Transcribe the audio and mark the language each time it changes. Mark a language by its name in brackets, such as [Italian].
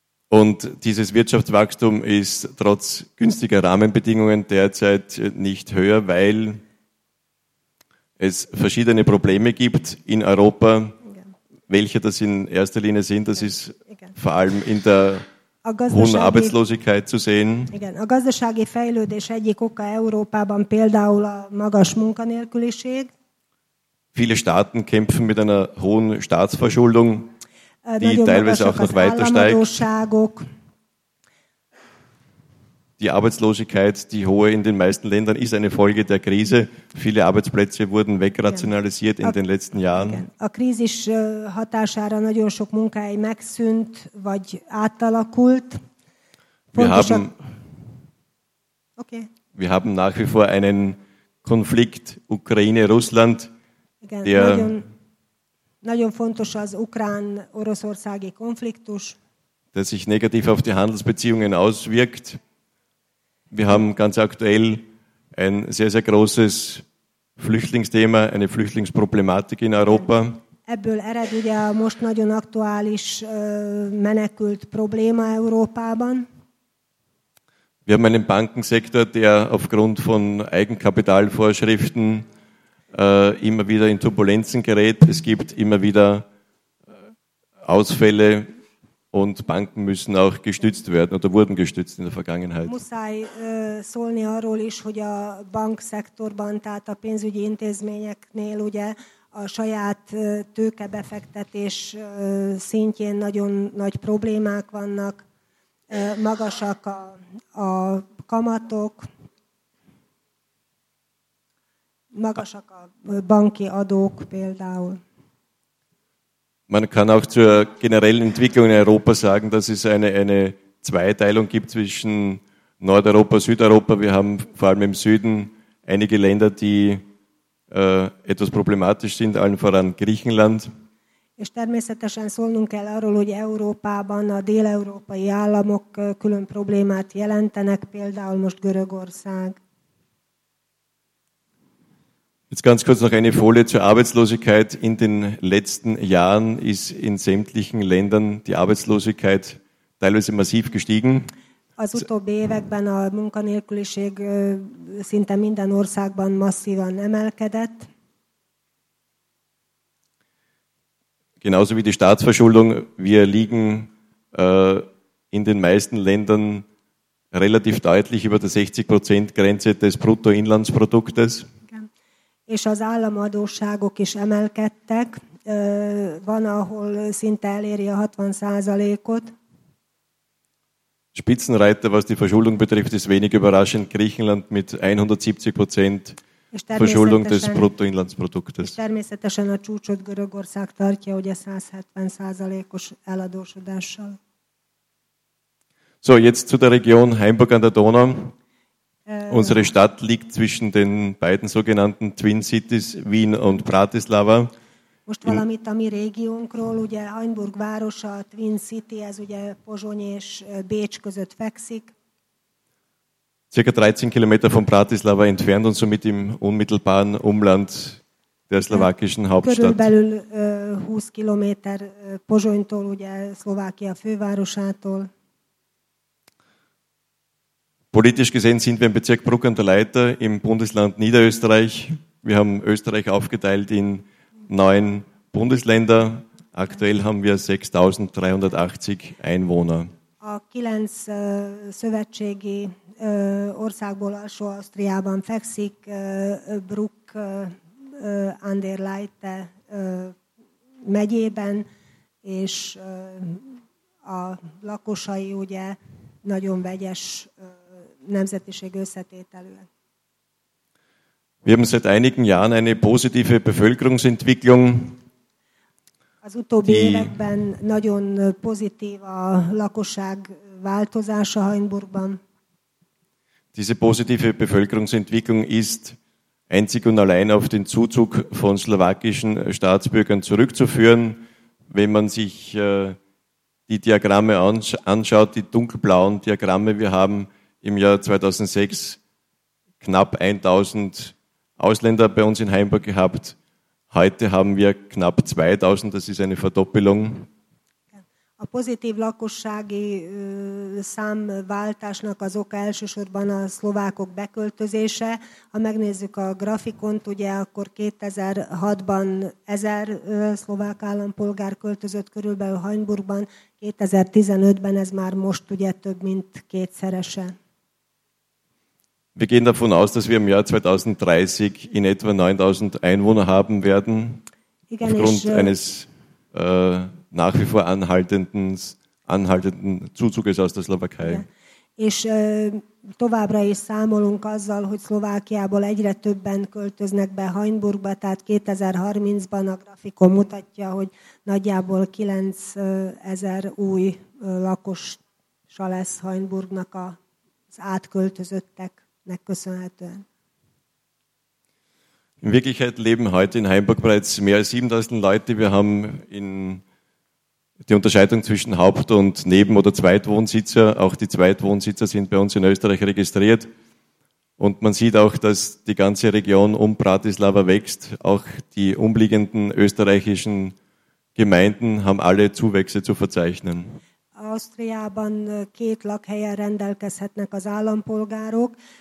[German] Und dieses Wirtschaftswachstum ist trotz günstiger Rahmenbedingungen derzeit nicht höher, weil es verschiedene Probleme gibt in Europa. Welche das in erster Linie sind, das ist vor allem in der hohen Arbeitslosigkeit zu sehen. [Hungarian] Igen. A gazdasági fejlődés egyik oka Európában például a magas munkanélküliség. [German] Viele Staaten kämpfen mit einer hohen Staatsverschuldung, die teilweise auch noch weiter steigt. Die Arbeitslosigkeit, die hohe in den meisten Ländern, ist eine Folge der Krise. Viele Arbeitsplätze wurden wegrationalisiert in den letzten Jahren. [Hungarian] A krízis hatására nagyon sok munkahely megszűnt, vagy átalakult. [German] Wir haben nach wie vor einen Konflikt Ukraine-Russland. [Hungarian] Igen, nagyon fontos az ukrán-oroszországi konfliktus. [German] Der sich negativ auf die Handelsbeziehungen auswirkt. Wir haben ganz aktuell ein sehr, sehr großes Flüchtlingsthema, eine Flüchtlingsproblematik in Europa. [Hungarian] Ebből ered ugye a most nagyon aktuális menekült probléma Európában. [German] Wir haben einen Bankensektor, der aufgrund von Eigenkapitalvorschriften immer wieder in Turbulenzen gerät. Es gibt immer wieder Ausfälle und Banken müssen auch gestützt werden oder wurden gestützt in der Vergangenheit. [Hungarian] Muszáj szólni arról is, hogy a bankszektorban, tehát a pénzügyi intézményeknél ugye a saját tőkebefektetés szintjén nagyon nagy problémák vannak, magasak a kamatok, magasak a banki adók például. [German] Man kann auch zur generellen Entwicklung in Europa sagen, dass es eine Zweiteilung gibt zwischen Nordeuropa und Südeuropa. Wir haben vor allem im Süden einige Länder, die etwas problematisch sind, allen voran Griechenland. [Hungarian] És természetesen szólnunk kell arról, hogy Európában a déleurópai államok külön problémát jelentenek, például most Görögország. [German] Jetzt ganz kurz noch eine Folie zur Arbeitslosigkeit. In den letzten Jahren ist in sämtlichen Ländern die Arbeitslosigkeit teilweise massiv gestiegen. [Hungarian] Az utóbbi években a munkanélküliség szinte minden országban masszívan emelkedett. [German] Genauso wie die Staatsverschuldung. Wir liegen in den meisten Ländern relativ deutlich über der 60%-Grenze des Bruttoinlandsproduktes. [Hungarian] És az államadósságok is emelkedtek. Van, ahol szinte eléri a 60%-ot. [German] Spitzenreiter, was die Verschuldung betrifft, ist wenig überraschend. Griechenland mit 170% Verschuldung des Bruttoinlandsproduktes. [Hungarian] És természetesen a csúcsot Görögország tartja, ugye 170%-os eladósodással. [German] So, jetzt zu der Region Hamburg an der Donau. Unsere Stadt liegt zwischen den beiden sogenannten Twin Cities, Wien und Bratislava. [Hungarian] Most valamit a mi régiónkról, ugye Hamburg városa, Twin City, ez ugye Pozsony és Bécs között fekszik. [German] Circa 13 Kilometer von Bratislava entfernt und somit im unmittelbaren Umland der slowakischen Hauptstadt. [Hungarian] Körülbelül 20 Kilometer Pozsonytól, ugye Szlovákia fővárosától. [German] Politisch gesehen sind wir im Bezirk Bruck an der Leiter im Bundesland Niederösterreich. Wir haben Österreich aufgeteilt in 9 Bundesländer. Aktuell haben wir 6.380 Einwohner. [Hungarian] A 9 szövetségi országból Alsó-Ausztriában fekszik Bruck an der Leiter megyében, és a lakosai ugye nagyon vegyes nemzetiség összetételűen. [German] Wir haben seit einigen Jahren eine positive Bevölkerungsentwicklung. [Hungarian] Az utóbbi években nagyon pozitív a lakosság változása Hamburgban. [German] Diese positive Bevölkerungsentwicklung ist einzig und allein auf den Zuzug von slowakischen Staatsbürgern zurückzuführen, wenn man sich die Diagramme anschaut, die dunkelblauen Diagramme, wir haben im Jahr 2006 knapp 1.000 Ausländer bei uns in Heimburg gehabt. Heute haben wir knapp 2.000, das ist eine Verdoppelung. [Hungarian] A pozitív lakossági számváltásnak az oka elsősorban a szlovákok beköltözése. Ha megnézzük a grafikont, ugye akkor 2006-ban 1000 szlovák állampolgár költözött körülbelül Hajnburgban, 2015-ben ez már most ugye több mint kétszerese. [German] Wir gehen davon aus, dass wir im Jahr 2030 in etwa 9000 Einwohner haben werden. [Hungarian] Igen, [German] aufgrund eines nach wie vor anhaltenden Zuzuges aus der Slowakei. [Hungarian] És továbbra is számolunk azzal, hogy Szlovákiából egyre többen költöznek be Hajnburgba, tehát 2030-ban a grafikon mutatja, hogy nagyjából 9000 új lakossal lesz Hajnburgnak az átköltözötteknek köszönhetően. [German] In Wirklichkeit leben heute in Heimburg bereits mehr als 7000 Leute. Wir haben in die Unterscheidung zwischen Haupt- und Neben- oder Zweitwohnsitzer. Auch die Zweitwohnsitzer sind bei uns in Österreich registriert. Und man sieht auch, dass die ganze Region um Bratislava wächst. Auch die umliegenden österreichischen Gemeinden haben alle Zuwächse zu verzeichnen. [Hungarian] Ausztriában két lakhelyen rendelkezhetnek az állampolgárok.